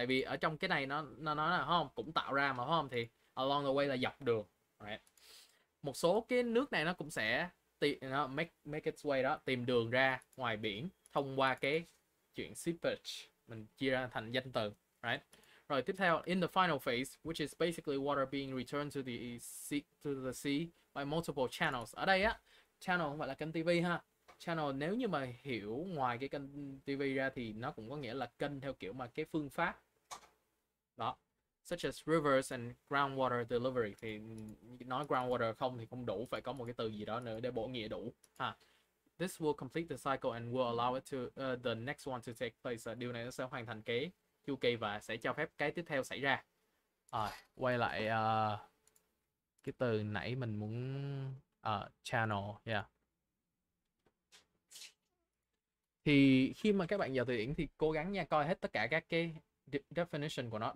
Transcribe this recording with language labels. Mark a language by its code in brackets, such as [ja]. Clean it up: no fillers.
[vi] Tại vì ở trong cái này nó nói là không cũng tạo ra mà, không thì [en] along the way [vi] là dọc đường, right? Một số cái nước này nó cũng sẽ tìm, nó [en] make make its way [vi] đó, tìm đường ra ngoài biển thông qua cái chuyện seepage, mình chia ra thành danh từ, right? [en] Rồi tiếp theo, in the final phase, which is basically water being returned to the sea by multiple channels. [vi] Ở đây á, channel không phải là kênh TV ha. Channel nếu như mà hiểu ngoài cái kênh TV ra thì nó cũng có nghĩa là kênh theo kiểu mà cái phương pháp đó, [en] such as rivers and groundwater delivery. [vi] Thì nói groundwater không thì không đủ, phải có một cái từ gì đó nữa để bổ nghĩa đủ ha. [en] This will complete the cycle and will allow it to the next one to take place. [vi] Điều này nó sẽ hoàn thành cái chu kỳ và sẽ cho phép cái tiếp theo xảy ra. À, quay lại cái từ nãy mình muốn, channel, yeah. Thì khi mà các bạn vào từ điển thì cố gắng nha, coi hết tất cả các cái definition của nó.